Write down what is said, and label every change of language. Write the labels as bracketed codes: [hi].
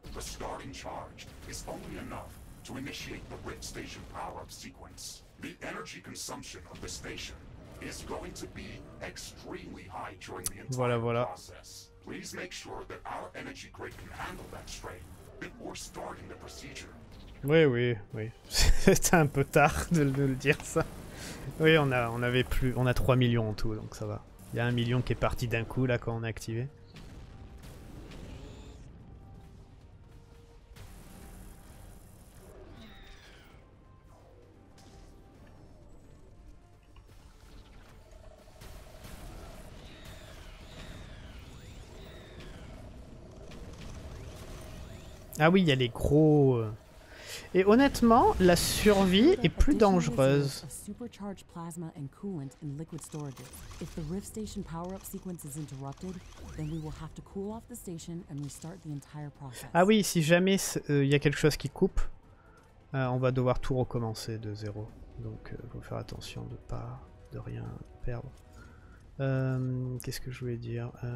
[en] The starting charge is only enough to initiate the Rift Station power-up sequence. The energy consumption of the station is going to be extremely high during the entire process. Please make sure that our energy grid can handle that strain before starting the procedure. [fr] Oui. C'était un peu tard de le dire ça. Oui, on a 3 millions en tout, donc ça va. Il y a 1 million qui est parti d'un coup là quand on a activé. Ah oui, il y a les gros. Et honnêtement, la survie est plus dangereuse. [en] Supercharged plasma and coolant in liquid storage. If the Rift Station power-up sequence is interrupted, then we will have to cool off the station and restart the entire process. [fr] Ah oui, si jamais il y a quelque chose qui coupe, on va devoir tout recommencer de zéro. Donc faut faire attention de rien perdre. Qu'est-ce que je voulais dire?